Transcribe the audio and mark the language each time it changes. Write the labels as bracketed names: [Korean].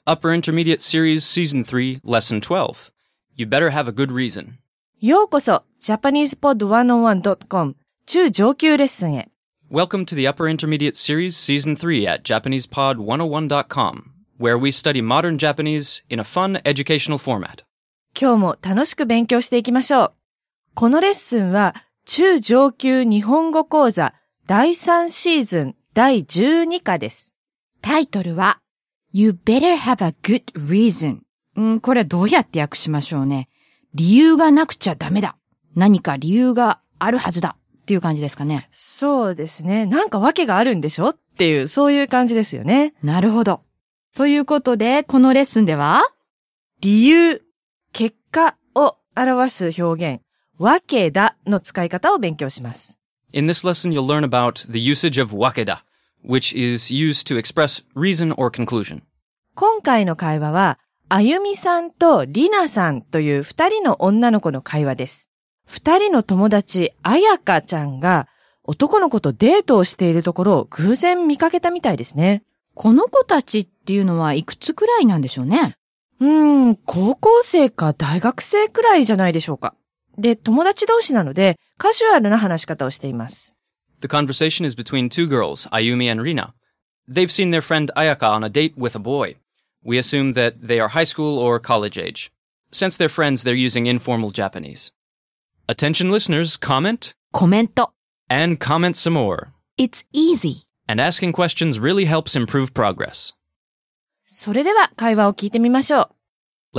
[English] Upper Intermediate Series Season 3 Lesson 12. You better have a good reason. [Japanese] ようこそ、JapanesePod101.com 中上級レッスンへ。 [English] Welcome to the Upper Intermediate Series Season 3 at JapanesePod101.com, where we study modern Japanese in a fun educational format. [Japanese] 今日も楽しく勉強していきましょう。このレッスンは、中上級日本語講座第3シーズン第12課です。タイトルは、 [English] You better have a good reason. [Japanese] これどうやって訳しましょうね。理由がなくちゃダメだ。何か理由があるはずだっていう感じですかね。そうですね。なんか訳があるんでしょっていう、そういう感じですよね。なるほど。ということで、このレッスンでは、理由、結果を表す表現、わけだの使い方を勉強します。 [English] In this lesson, you'll learn about the usage of わけだ, which is used to express reason or conclusion. [Japanese] 今回の会話は、あゆみさんとりなさんという二人の女の子の会話です。二人の友達、あやかちゃんが男の子とデートをしているところを偶然見かけたみたいですね。この子たちっていうのはいくつくらいなんでしょうね。高校生か大学生くらいじゃないでしょうか。で、友達同士なのでカジュアルな話し方をしています。 [English] The conversation is between two girls, Ayumi and Rina. They've seen their friend Ayaka on a date with a boy. We assume that they are high school or college age. Since they're friends, they're using informal Japanese. Attention listeners, comment. Commento. And comment some more. It's easy. And asking questions really helps improve progress. [Japanese] それでは会話を聞いてみましょう。